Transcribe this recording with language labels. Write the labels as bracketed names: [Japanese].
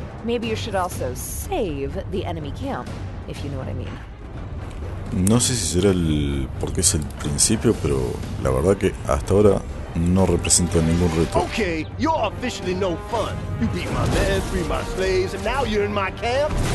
[English] Maybe you should also save the enemy camp, if you know what I mean. [Spanish] No sé si será el porque es el principio, pero la verdad que hasta ahora no representa ningún reto. [English] Okay, you're officially no fun. You beat my men, free my slaves, and now you're in my camp.